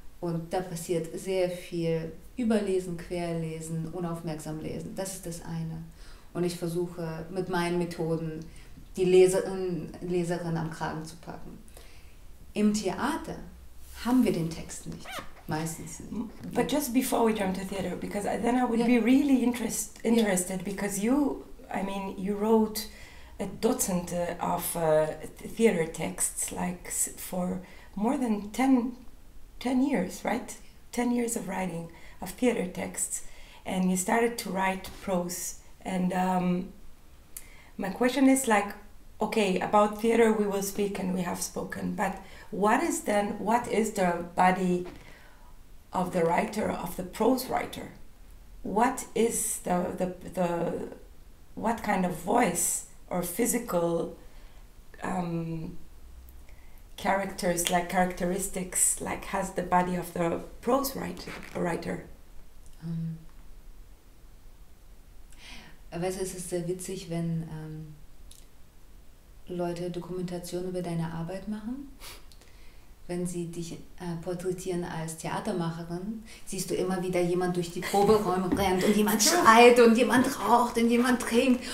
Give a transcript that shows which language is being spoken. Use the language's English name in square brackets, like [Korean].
[German] Und da passiert sehr viel Überlesen, Querlesen, unaufmerksam Lesen. Das ist das eine. Und ich versuche mit meinen Methoden die Leserin am Kragen zu packen. Im Theater haben wir den Text nicht, meistens nicht. [English] But just before we jump to theater, because then I would be really interested, because you, I mean, you wrote a dozens of theater texts, like for more than 10 years, right? 10 years of writing of theater texts, and you started to write prose. And my question is, like, okay, about theater we will speak and we have spoken, but what is the body of the writer, of the prose writer? What is the what kind of voice or physical characters, like characteristics, like has the body of the prose writer? [German] Weißt du, es ist sehr witzig, wenn Leute Dokumentation über deine Arbeit machen. Wenn sie dich porträtieren als Theatermacherin, siehst du immer wieder jemand durch die Proberäume rennt und jemand schreit und jemand raucht und jemand trinkt.